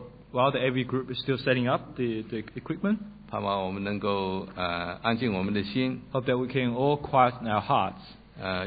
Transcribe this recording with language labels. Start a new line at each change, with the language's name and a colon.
English: While the AV group is still setting up the equipment,
Chinese: 盼望我们能够, 安静我们的心,
English: hope that we can all quiet in our hearts